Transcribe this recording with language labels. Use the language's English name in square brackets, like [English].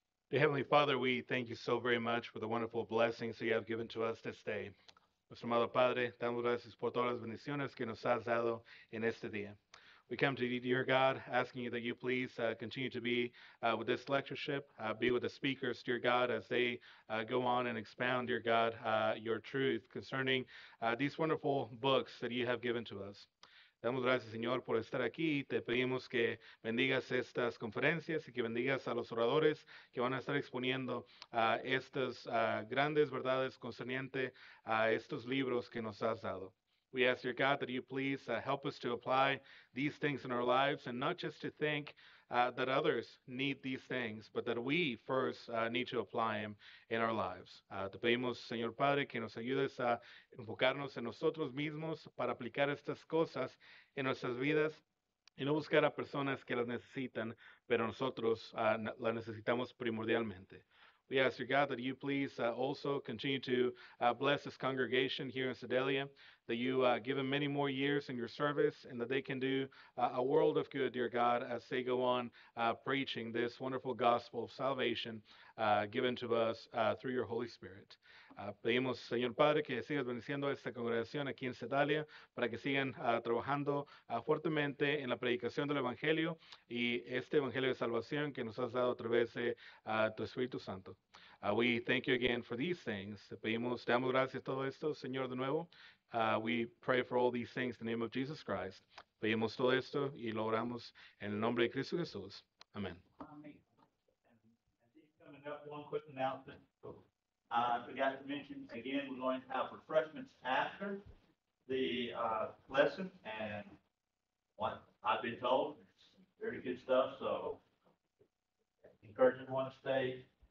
[English] Dear Heavenly Father, we thank you so very much for the wonderful blessings that you have given to us this day. [Spanish] Nuestro amado Padre, damos gracias por todas las bendiciones que nos has dado en este día. [English] We come to you, dear God, asking you that you please continue to be with this lectureship, be with the speakers, dear God, as they go on and expound, dear God, your truth concerning these wonderful books that you have given to us. [Spanish] Damos gracias, Señor, por estar aquí. Te pedimos que bendigas estas conferencias y que bendigas a los oradores que van a estar exponiendo estas grandes verdades concerniente a estos libros que nos has dado. [English] We ask, dear God, that you please help us to apply these things in our lives and not just to think that others need these things, but that we first need to apply them in our lives. [Spanish] Te pedimos, Señor Padre, que nos ayudes a enfocarnos en nosotros mismos para aplicar estas cosas en nuestras vidas y no buscar a personas que las necesitan, pero nosotros las necesitamos primordialmente. [English] We ask, dear God, that you please also continue to bless this congregation here in Sedalia, that you give them many more years in your service, and that they can do a world of good, dear God, as they go on preaching this wonderful gospel of salvation given to us through your Holy Spirit. [Spanish] Pedimos, Señor Padre, que sigas bendiciendo a esta congregación aquí en Sedalia para que sigan trabajando fuertemente en la predicación del Evangelio y este Evangelio de salvación que nos has dado a través de tu Espíritu Santo. [English] We thank you again for these things. [Spanish] Pedimos, damos gracias a todo esto, Señor, de nuevo. [English] We pray for all these things in the name of Jesus Christ. [Spanish] Pedimos todo esto y lo oramos en el nombre de Cristo Jesús. [English] Amen. Amen. Coming up, one quick announcement. I forgot to mention again, we're going to have refreshments after the lesson, and what I've been told, it's very good stuff, so encourage everyone to stay.